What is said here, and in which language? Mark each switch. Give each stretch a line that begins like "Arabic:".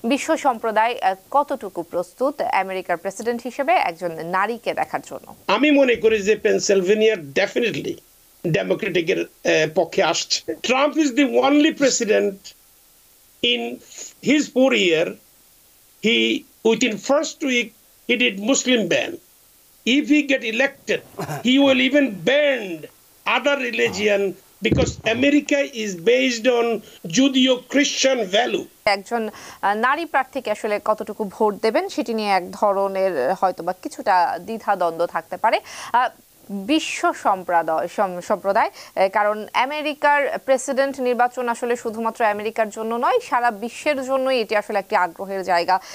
Bangla: বিশ্ব সম্প্রদায় কতটুকু প্রস্তুত আমেরিকার প্রেসিডেন্ট হিসেবে একজন নারীকে দেখার জন্য? আমি মনে করি যে পেনসিলভেনিয়া ডেফিনেটলি ডেমোক্রেটিক এর পক্ষে আসছে।
English: Trump is the only president in his four year he within first week he did Muslim ban. If he get elected, he will even ban other religion because America is based on Judeo-Christian value.
Bangla: একজন নারী প্রার্থীকে আসলে কতটুকু vote দেবেন সেটি নিয়ে এক ধরনের হয়তোবা কিছুটা দ্বিধাদ্বন্দ্ব থাকতে পারে বিশ্ব সম্প্রদায়, কারণ আমেরিকার প্রেসিডেন্ট নির্বাচন আসলে শুধুমাত্র আমেরিকার জন্য নয়, সারা বিশ্বের জন্যই এটি আসলে একটি আগ্রহের জায়গা।